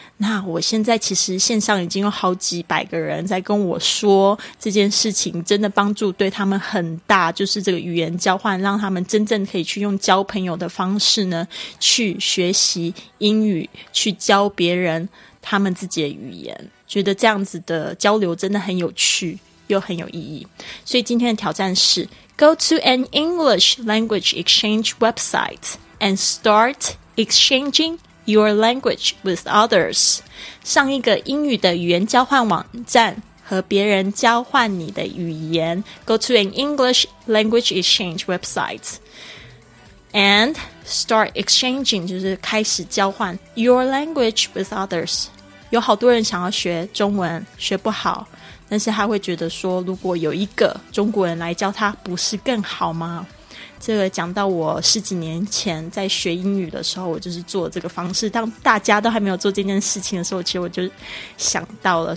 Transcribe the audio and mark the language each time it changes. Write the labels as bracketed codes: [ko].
[zh] 那我现在其实线上已经有好几百个人在跟我说这件事情真的帮助对他们很大，就是这个语言交换让他们真正可以去用交朋友的方式呢去学习英语，去教别人他们自己的语言，觉得这样子的交流真的很有趣又很有意义。所以今天的挑战是 [en] Go to an English language exchange website and start exchanging your language with others. [zh] 上一个英语的语言交换网站和别人交换你的语言。 [en] Go to an English language exchange website and start exchanging, [zh] 就是开始交换 [en] your language with others。 [zh] 有好多人想要学中文学不好，但是他会觉得说如果有一个中国人来教他不是更好吗？这个讲到我十几年前在学英语的时候，我就是做这个方式，当大家都还没有做这件事情的时候，其实我就想到了。